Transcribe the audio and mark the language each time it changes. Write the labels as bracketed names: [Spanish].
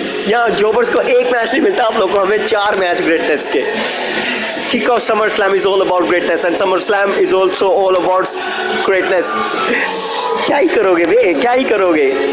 [Hindi] यहाँ जोबर्स को एक मैच नहीं मिलता आप लोगों को. हमें चार मैच great test के. [English] Kick off SummerSlam is all about greatness and SummerSlam is also all about greatness. [Hindi] क्या ही करोगे बे, क्या ही करोगे?